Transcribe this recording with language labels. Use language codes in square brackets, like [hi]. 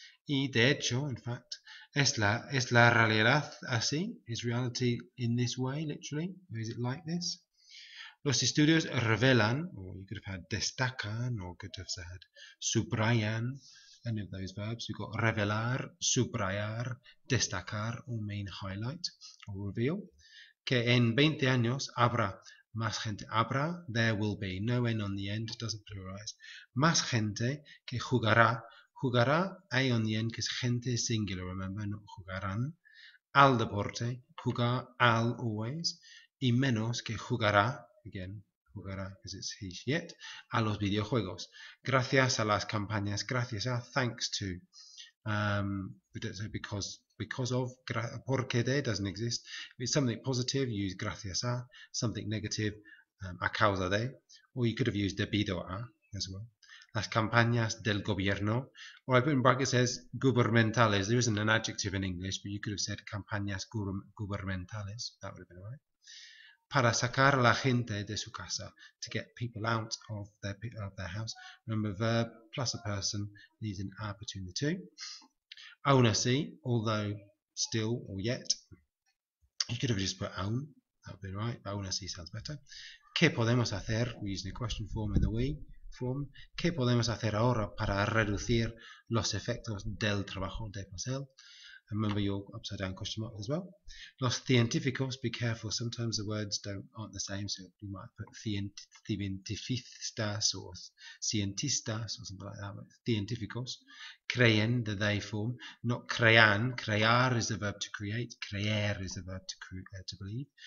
[es] Y de hecho, [en] in fact, [es] es la realidad así? [en] Is reality in this way, literally? Or is it like this? [es] Los estudios revelan, [en] or you could have had destacan, or could have said subrayan, any of those verbs. We've got revelar, subrayar, destacar, all mean highlight or reveal. [es] Que en 20 años habrá más gente. Habrá, [en] there will be. No N on the end, it doesn't pluralize. [es] Más gente que jugará. [en] Jugará, A on the end, because gente singular, remember, not jugarán. [es] Al deporte, jugar, al always. Y menos que jugará, again, jugará, [en] because it's he, she, it, [es] a los videojuegos. Gracias a las campañas, gracias a, [en] thanks to. We don't say because of, porque de doesn't exist. If it's something positive, use gracias a. Something negative, a causa de. Or you could have used debido a as well. [es] Las campañas del gobierno, [en] or I put in brackets says gubernamentales. There isn't an adjective in English, but you could have said campañas gubernamentales. That would have been all right. [es] Para sacar la gente de su casa, [en] to get people out of their house. Remember, verb plus a person needs an a between the two. Aun así, although, still, or yet. You could have just put aun. That would be right. Aun así sounds better. [es] ¿Qué podemos hacer? [en] We're using a question form in the we. Form. [es] ¿Qué podemos hacer ahora para reducir los efectos del trabajo de pastel? [en] Remember your upside down question mark as well. [es] Los científicos, [en] be careful, sometimes the words aren't the same, so you might put cientificistas or cientistas or something like that, but cientificos. Creen, the they form, not crean. Crear is the verb to create, creer is the verb to believe.